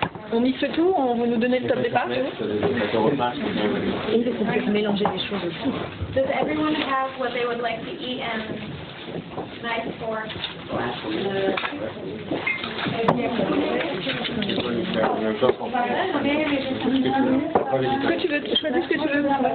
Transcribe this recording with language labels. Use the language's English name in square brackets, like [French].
[French] On y fait tout, on vous nous donnez le top départ. Et on peut mélanger les choses aussi. [English] Does everyone have what they would like to eat and knife for? [French] Que tu veux, tu choisis ce que tu veux.